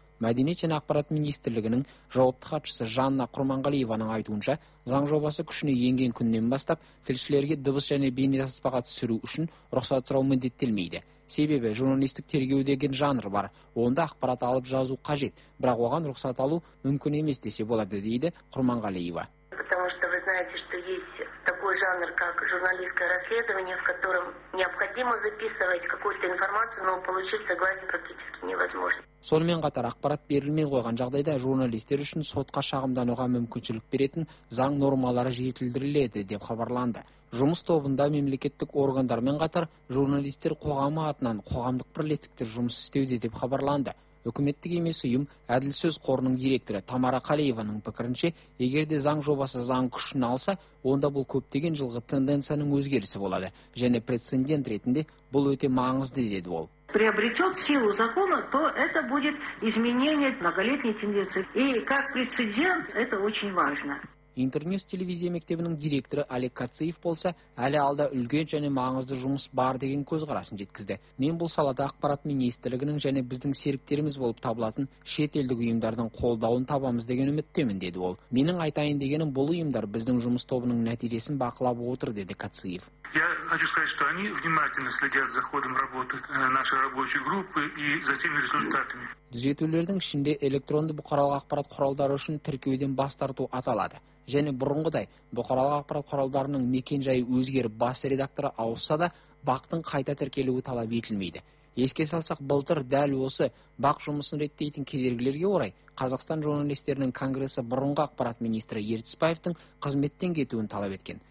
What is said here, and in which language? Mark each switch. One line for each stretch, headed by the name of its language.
Kazakh: Мәдениет және ақпарат министрлігінің жауапты хатшысы Жанна Құрманғалиеваның айтуынша, заң жобасы күшіне енген күннен бастап тілшілерге дыбыс және бейнетаспаға түсіру үшін рұқсат сұрау міндеттелмейді. Себебі журналистік тергеу деген жанр бар, онда ақпарат алып жазу қажет, бірақ оған рұқсат алу мүмкін емес десе болады, дейді Құрманғалиева.
Russian: Потому что вы знаете, что есть такой жанр, как журналистское расследование, в котором необходимо записывать какую-то информацию, но получить согласие практически невозможно.
Kazakh: Сонымен қатар ақпарат берілмей қойған жағдайда журналистер үшін сотқа шағымдануға мүмкіншілік беретін заң нормалары жетілдіріледі деп хабарланды. Жұмыс тобында мемлекеттік органдармен қатар журналистер қоғамы атынан қоғамдық бірлестіктер жұмыс істеуде деп хабарланды. Үкіметтік емес ұйым әділ сөз қорының директоры Тамара Қалиеваның пікірінше, егер де заң жобасы заң күшін алса, онда бұл көптеген жылғы тенденцияның өзгерісі болады және прецедент ретінде бұл өте маңызды, деді ол.
Russian: Приобретет силу закона, то это будет изменение многолетней тенденции. И как прецедент, это очень важно.
Kazakh: Интернюс телевизия мектебінің директоры Олег Кацеев болса, әлі алда үлкен және маңызды жұмыс бар деген көзқарасын жеткізді. Мен бұл салада ақпарат министрлігінің және біздің серіктеріміз болып табылатын шетелдік ұйымдардың қолдауын табамыз деген үміттемін, деді ол. Менің айтайын дегенім, бұл ұйымдар біздің жұмыс тобының нәтижесін бақылап отыр, деді Кацеев.
Russian: Я хочу сказать, что они внимательно следят за ходом работы нашей рабочей группы и за теми результатами.
Kazakh: Түзетулердің ішінде электронды бұқаралық ақпарат құралдары үшін тіркеуден бас тарту аталады. Және бұрынғыдай бұқаралық ақпарат құралдарының мекен-жайы өзгеріп бас редакторы ауысса да бақтың қайта тіркелуі талап етілмейді. Еске салсақ, былтыр дәл осы бақ жұмысын реттейтін кедергілерге орай Қазақстан журналистерінің конгресі бұрынғы ақпарат министрі Ертісбаевтың қызметтен кетуін талап еткен.